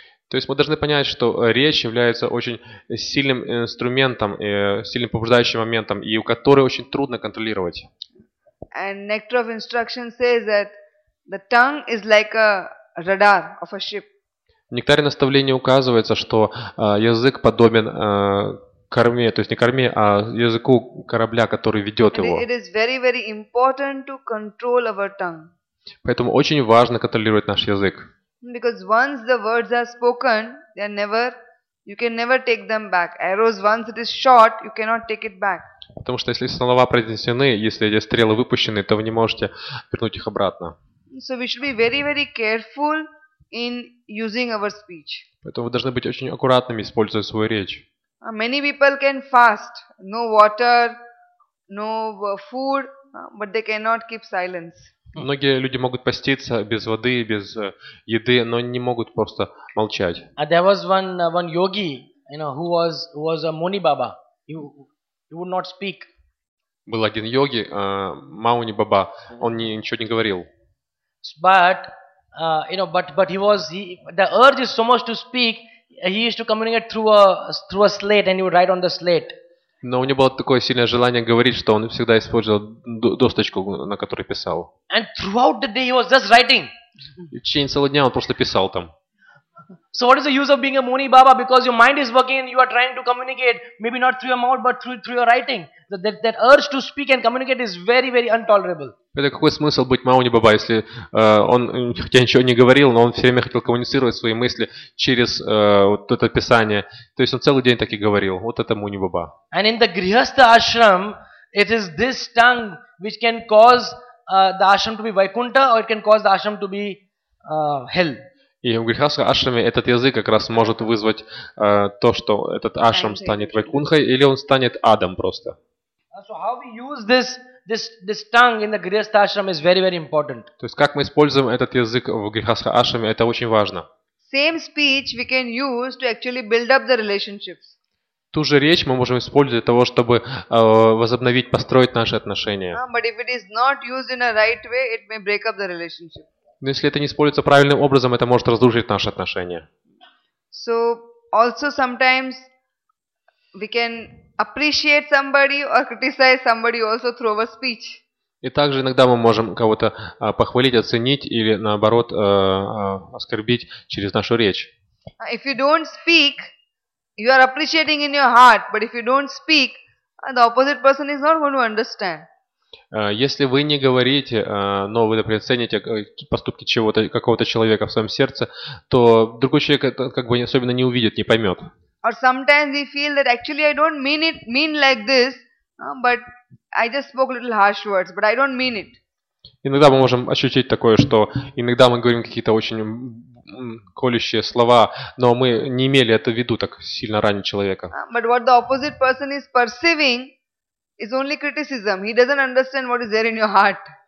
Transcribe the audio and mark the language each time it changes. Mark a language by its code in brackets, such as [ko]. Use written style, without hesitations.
[ru] То есть мы должны понять, что речь является очень сильным инструментом, сильным побуждающим моментом, и который очень трудно контролировать. [en] And Nectar of Instruction says that the tongue is like a radar of a ship. [ru] В Нектаре наставления указывается, что язык подобен корме, то есть не корме, а языку корабля, который ведет его. [en] It is very, very important to control our tongue. [ru] Поэтому очень важно контролировать наш язык. [en] Because once the words are spoken, they are never, you can never take them back. Arrows, once it is shot, you cannot take it back. [ru] Потому что если слова произнесены, если эти стрелы выпущены, то вы не можете вернуть их обратно. [en] So we should be very, very careful in using our speech. [ru] Поэтому вы должны быть очень аккуратными, используя свою речь. [en] Many people can fast, no water, no food, but they cannot keep silence. [ru] Многие люди могут поститься без воды, без еды, но они не могут просто молчать. [en] And there was one yogi, you know, who was a Muni Baba. He would not speak. [ru] Был один йоги, Мауни Баба, он ничего не говорил. [en] But you know, but the urge is so much to speak. He used to communicate through a slate, and he would write on the slate. [ru] Но у него было такое сильное желание говорить, что он всегда использовал досточку, на которой писал. [en] And throughout the day he was just writing. [ru] И в течение целого дня он просто писал там. [en] So what is the use of being a Muni Baba? Because your mind is working, you are trying to communicate, maybe not through your mouth, but through your writing. That urge to speak and communicate is very, very intolerable. [ru] Это какой смысл быть Мауни Баба, если он хотя ничего не говорил, но он все время хотел коммуницировать свои мысли через вот это писание. То есть он целый день так и говорил. Вот это Муни Баба. [en] And in the Grihastha ashram, it is this tongue which can cause the ashram to be Vaikunta, or it can cause the ashram to be hell. [ru] И в грихастха ашраме этот язык как раз может вызвать то, что этот ашрам станет Вайкунхой, или он станет адом просто. [en] So how we use this tongue in the grihastha ashram is very, very important. [ru] То есть как мы используем этот язык в грихастха ашраме, это очень важно. [en] Same speech we can use to actually build up the relationships. [ru] Ту же речь мы можем использовать для того, чтобы возобновить, построить наши отношения. [en] But if it is not used in a right way, it may break up the relationship. [ru] Но если это не используется правильным образом, это может разрушить наши отношения. [en] So also sometimes we can appreciate somebody or criticize somebody also through our speech. [ru] И также иногда мы можем кого-то похвалить, оценить или наоборот оскорбить через нашу речь. [en] If you don't speak, you are appreciating in your heart, but if you don't speak, the opposite person is not going to understand. [ru] Если вы не говорите, но вы, например, цените поступки чего-то, какого-то человека в своем сердце, то другой человек это как бы особенно не увидит, не поймет. [en] Or sometimes we feel that actually I don't mean it, mean like this, but I just spoke little harsh words, but I don't mean it. [ru] Иногда мы можем ощутить такое, что иногда мы говорим какие-то очень колющие слова, но мы не имели это в виду, так сильно ранить человека. [en] But what the opposite person is perceiving is only criticism. He doesn't understand what is there in your heart.